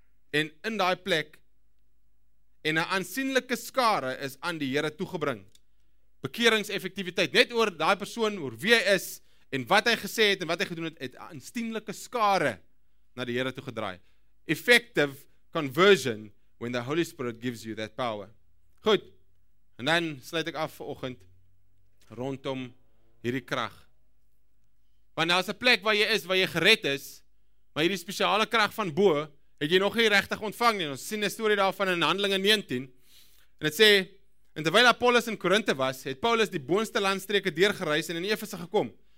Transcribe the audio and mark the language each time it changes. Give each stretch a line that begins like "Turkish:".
Afrikaans: En in daai plek en 'n aansienlike skare is aan die Here toegebring. Bekeringseffektiwiteit, net oor daai persoon, oor wie hy is en wat hy gesê het en wat hy gedoen het, het aansienlike skare na die Here toe gedraai.
English: Effective conversion when the Holy Spirit gives you that power.
Afrikaans: Goed. En dan sluit ek af vir oggend rondom hierdie krag. Want daar's 'n plek waar jy is, waar jy gered is, maar hierdie spesiale krag van bo het jy nog nie regtig ontvang nie. Ons sien 'n storie daarvan in Handelinge 19. En dit sê, en terwyl Apollos in Korinthe was, het Paulus die boonste landstreke deurgereis en in Efese gekom.